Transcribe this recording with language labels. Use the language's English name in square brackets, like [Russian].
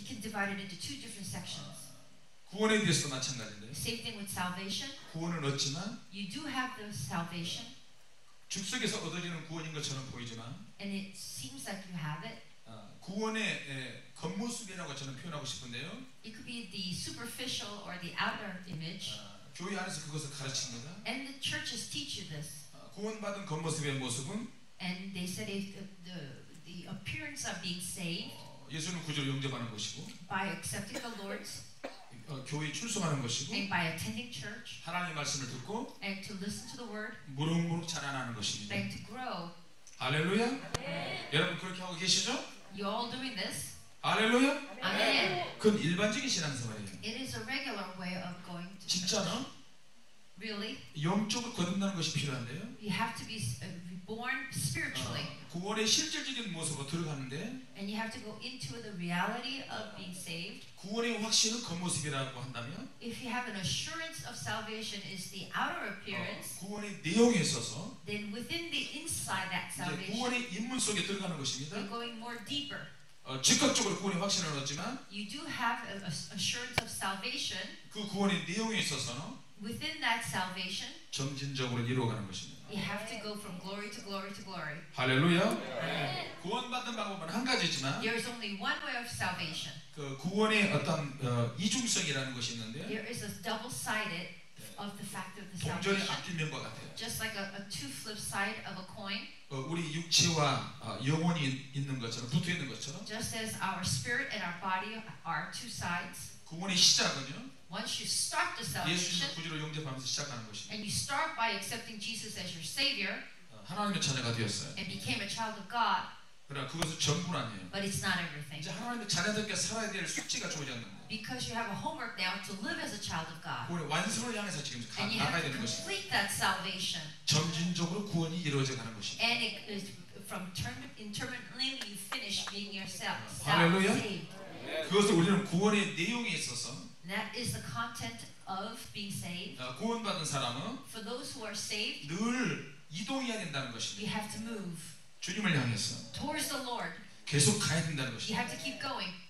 [English] You can divide it into two different sections. [Korean] 구원에 대해서도 마찬가지인데. [English] Same thing with salvation. [Korean] 구원은 얻지만. [English] You do have the salvation. [Korean] 죽속에서 얻어지는 구원인 것처럼 보이지만. [English] And it seems like you have it. [Korean] 구원의 겉모습이라고 저는 표현하고 싶은데요. [English] It could be the superficial or the outer image. [Korean] 교회 안에서 그것을 가르칩니다. [English] And the churches teach you this. [Korean] 구원받은 겉모습의 모습은. [English] And they said the appearance of being saved. [Korean] 예수님 구주를 영접하는 것이고. [English] By accepting the Lord's. [Korean] 교회 출석하는 것이고 [English] and by attending church, [Korean] 하나님의 말씀을 듣고 [English] and to listen to the word, [Korean] 무릉무릉 자라나는 것입니다. [English] To grow. [Korean] 할렐루야. [English] Amen. [Korean] 여러분 그렇게 하고 계시죠? [English] You all doing this? [Korean] 할렐루야? 아멘. 그건 일반적인 신앙생활이에요. [English] It is a regular way of going to church. [Korean] 진짜나? [English] Really? [Korean] 영적을 거듭나는 것이 필요한데요. [English] You have to be reborn spiritually. [Korean] 구원의 실질적인 모습으로 들어가는데. [English] And you have to go into the reality of being saved. [Korean] 구원의 확신은 겉모습이라고 한다면. [English] If you have an assurance of salvation, is the outer appearance. [Korean] 구원의 내용에 있어서. [English] Then within the inside that salvation. [Korean] 이제 구원의 인문 속에 들어가는 것입니다. [English] You're going more deeper. [Korean] 즉각적으로 구원의 확신을 얻지만. [English] You do have an assurance of salvation. [Korean] 그 구원의 내용에 있어서는. [English] Within that salvation, [Korean] 점진적으로 이루어가는 것입니다. [English] You have to go from glory to glory to glory. [Korean] 할렐루야. 아멘. 구원받는 방법은 한 가지지만, [English] there is only one way of salvation. [Korean] 그 구원의 어떤 이중성이라는 것이 있는데, [English] there is a double-sided of the fact of the salvation. [Korean] 동전의 앞뒷면 같아요. [English] Just like a two-flip side of a coin. [Korean] 우리 육체와 영혼이 있는 것처럼 붙어 있는 것처럼, [English] just as our spirit and our body are two sides. [Korean] 구원의 시작은요. [English] Once you start the salvation, [Korean] 예수님을 구주로 영접하면서 시작하는 것입니다. [English] And you start by accepting Jesus as your Savior, [Korean] 하나님의 자녀가 되었어요. [English] And became a child of God. [Korean] 그러나 그것은 전부는 아니에요. [English] But it's not everything. [Korean] 이제 하나님의 자녀들께 살아야 될 숙제가 주어졌는 거예요. [English] Because you have a homework now to live as a child of God. [Korean] 우리 완성을 향해서 지금 나가야 되는 것입니다. [English] And you have to complete that salvation. [Korean] 점진적으로 구원이 이루어져 가는 것입니다. [English] And it is from intermittently you finish being yourself. [Korean] 할렐루야. 그것을 우리는 구원의 내용에 있어서. [English] That is the content of being saved. [Korean] 구원받은 사람은 [English] for those who are saved, [Korean] 늘 이동해야 된다는 것입니다. [English] You have to move [Korean] 주님을 향해서 [English] towards the Lord. [Korean] 계속 가야 된다는 것입니다. [English] You have to keep going.